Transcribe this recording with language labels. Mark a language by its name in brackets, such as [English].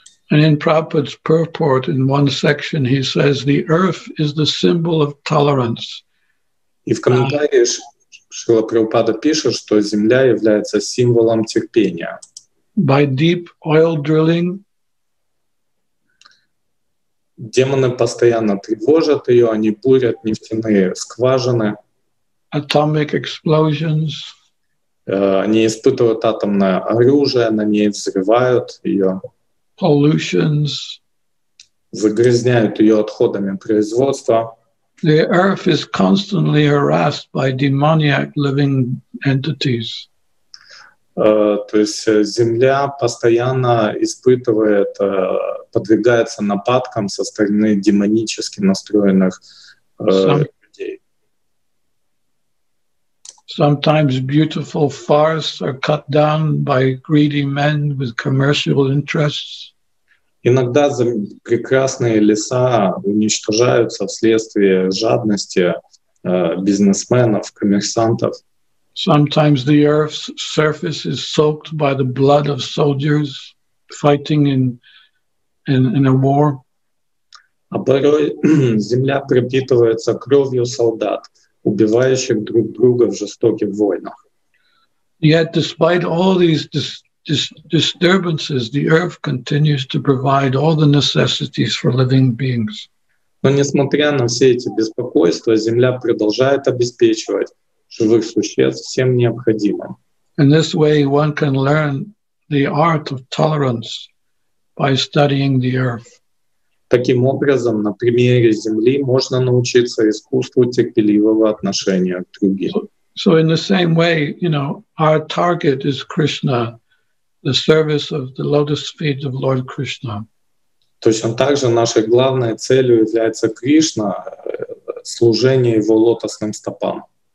[English] And in Prabhupada's purport, in one section, he says, the earth is the symbol of tolerance. [Russian] И в комментариях Шрила Прабхупада пишет, что земля является символом терпения. [English] By deep oil drilling, [Russian] демоны постоянно тревожат ее, они бурят нефтяные скважины. [English] Atomic explosions. [Russian] Они испытывают атомное оружие, на ней взрывают ее. [English] Pollutions. [Russian] Загрязняют ее отходами производства. [English] The earth is constantly harassed by demoniac living entities. [Russian] То есть земля постоянно испытывает, подвергается нападкам со стороны демонически настроенных людей. [English] Sometimes beautiful forests are cut down by greedy men with commercial interests. [Russian] Иногда прекрасные леса уничтожаются вследствие жадности бизнесменов, коммерсантов. [English] Sometimes the earth's surface is soaked by the blood of soldiers fighting in a war. [Russian] А порой земля пропитывается кровью солдат, убивающих друг друга в жестоких войнах. [English] Yet despite all these disturbances, the earth continues to provide all the necessities for living beings. [Russian] Но несмотря на все эти беспокойства, земля продолжает обеспечивать живых существ всем необходимым. [English] In this way, one can learn the art of tolerance by studying the earth. [Russian] Таким образом, на примере земли можно научиться искусству терпеливого отношения к другим. [English] So in the same way, you know, our target is Krishna, the service of the lotus feet of Lord Krishna. [Russian] Точно так же нашей главной целью является Кришна, служение его лотосным стопам.